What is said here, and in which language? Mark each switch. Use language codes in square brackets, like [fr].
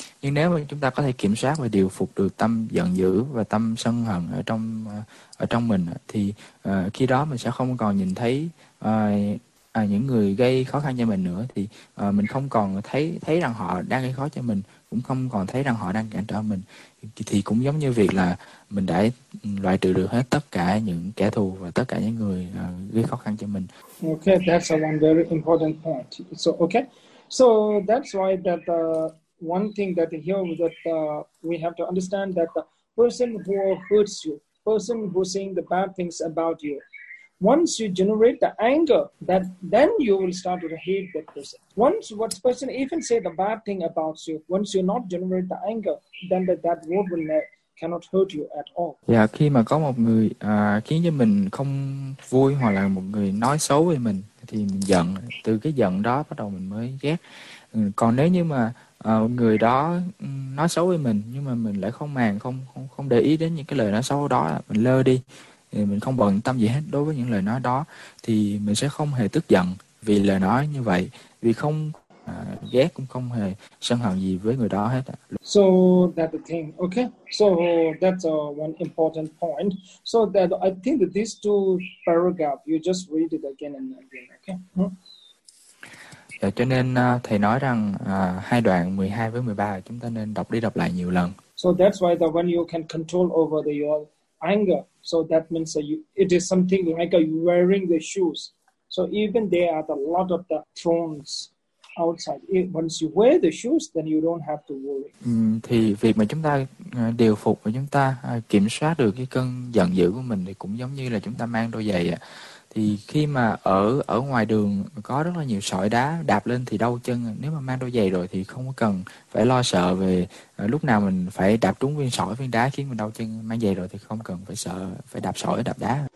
[vi] Nhưng nếu mà chúng ta có thể kiểm soát và điều phục được tâm giận dữ và tâm sân hận ở trong mình thì khi đó mình sẽ không còn nhìn thấy những người gây khó khăn cho mình nữa, thì mình không còn thấy thấy rằng họ đang gây khó cho mình, cũng không còn thấy rằng họ đang cản trở mình, thì cũng giống như việc là mình đã loại trừ được hết tất cả những kẻ thù và tất cả những người gây khó khăn cho mình. [en] Okay, that's a one very important point. So, okay, so that's why that one thing that here that we have to understand that the person who hurts you, person who's saying the bad things about you, once you generate the anger, that then you will start to hate that person. Once what person even say the bad thing about you, once you not generate the anger, then that word will not, cannot hurt you at all. [vi] Dạ, khi mà có một người khiến cho mình không vui hoặc là một người nói xấu về mình thì mình giận, từ cái giận đó bắt đầu mình mới ghét. Còn nếu như mà người đó nói xấu về mình nhưng mà mình lại không màng, không để ý đến những cái lời nói xấu đó, mình lơ đi, thì mình không bận tâm gì hết đối với những lời nói đó, thì mình sẽ không hề tức giận vì lời nói như vậy, vì không ghét cũng không hề sân hận gì với người đó hết. [en] So that the thing, okay. So that's one important point. So that I think that these two paragraph you just read it again and again, okay. [vi] Cho nên thầy nói rằng hai đoạn 12 với 13 chúng ta nên đọc đi đọc lại nhiều lần. [en] So that's why the when you can control over the your anger, so that means that you, it is something like wearing the shoes. So even there are a lot of the thorns outside. Once you wear the shoes, then you don't have to worry. [vi] Thì việc mà chúng ta điều phục và chúng ta kiểm soát được cái cơn giận dữ của mình thì cũng giống như là chúng ta mang đôi giày ạ. Thì khi mà ở ở ngoài đường có rất là nhiều sỏi đá đạp lên thì đau chân, nếu mà mang đôi giày rồi thì không có cần phải lo sợ về lúc nào mình phải đạp trúng viên sỏi viên đá khiến mình đau chân, mang giày rồi thì không cần phải sợ phải đạp sỏi đạp đá.